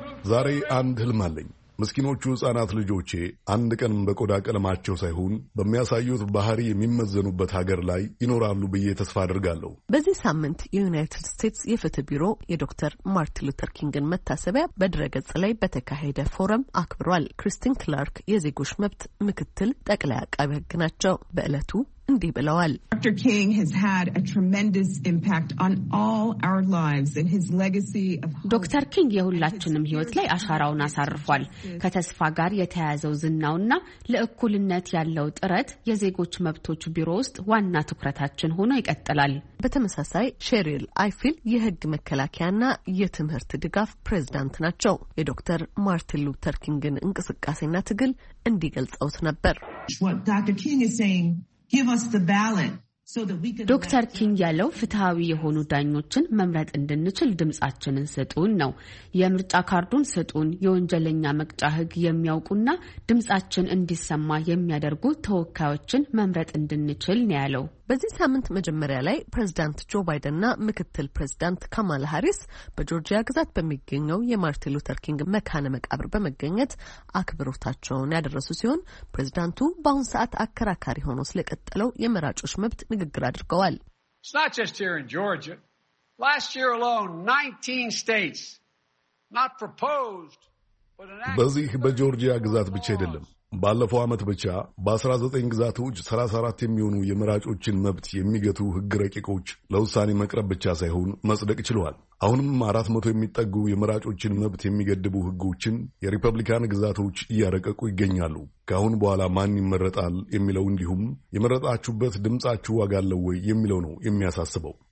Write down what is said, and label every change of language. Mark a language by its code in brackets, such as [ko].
[am] ዛሬ አንድ ህልም አለኝ። ምስኪኖቹ ህፃናት ልጆቼ አንድ ቀን በቆዳ ቀለማቸው ሳይሆን በሚያሳዩት ባህሪ የሚመዘኑበት ሀገር ላይ ይኖራሉ ብዬ ተስፋ አድርጋለሁ። በዚህ ሳምንት የዩናይትድ ስቴትስ የፍትህ ቢሮ የዶክተር ማርቲን ሉተር ኪንግን መታሰቢያ በድረገጽ ላይ በተካሄደ ፎረም አክብሯል። ክሪስቲን ክላርክ የዜጎች መብት ምክትል ጠቅላይ አቃቤ ህግ ናቸው። በእለቱ እንዲህ ብለዋል። [en] Dr. King has had a tremendous impact on all our lives and his legacy of Dr. [am] King የሁላችንም ህይወት ላይ አሻራውን አሳርፏል። ከተስፋ ጋር የተያዘው ዝናውና ለእኩልነት ያለው ጥረት የዜጎች መብቶች ቢሮ ውስጥ ዋና ትኩረታችን ሆኖ ይቀጥላል። በተመሳሳይ ሼሪል አይፊል የህግ መከላከያና የትምህርት ድጋፍ ፕሬዝዳንት ናቸው። የዶክተር ማርቲን ሉተር ኪንግን እንቅስቃሴና ትግል እንዲገልጸውት ነበር። [en] Dr. King is saying give us the ballot so that we can [am] ዶክተር ኪንግ ያለው ፍትሃዊ የሆኑ ዳኞችን መምረጥ እንድንችል ድምጻችንን ስጡን ነው። የምርጫ ካርዱን ስጡን። የወንጀለኛ መቅጫ ህግ የሚያውቁና ድምጻችን እንዲሰማ የሚያደርጉ ተወካዮችን መምረጥ እንድንችል ነው ያለው። በዚህ ሳምንት መጀመሪያ ላይ ፕሬዝዳንት ጆ ባይደንና ምክትል ፕሬዝዳንት ካማላ ሃሪስ በጆርጂያ ግዛት በሚገኘው የማርቲን ሉተር ኪንግ መካነ መቃብር በመገኘት አክብሮታቸውን ያደረሱ ሲሆን ፕሬዝዳንቱ በአሁን ሰዓት አከራካሪ ሆኖ ስለቀጠለው የመራጮች መብት ንግግር አድርገዋል። [en] It's not just here in Georgia. Last year alone, 19 states not proposed but an act. [am] በዚህ በጆርጂያ ግዛት ብቻ አይደለም ባለፈው አመት ብቻ በ19 ግዛቶች 34 የሚሆኑ የመራጮችን መብት የሚገቱ ህግ ረቂቆች ለውሳኔ መቅረብ ብቻ ሳይሆን መጽደቅ ይችላል። አሁንም 400 የሚጠጉ የመራጮችን መብት የሚገድቡ ህጎችን የሪፐብሊካን ግዛቶች እያረቀቁ ይገኛሉ። ከአሁን በኋላ ማን ይመረጣል የሚለው እንዲሁም የመረጣችሁበት ድምጻችሁ ዋጋ አለው ወይ የሚለው ነው የሚያሳስበው።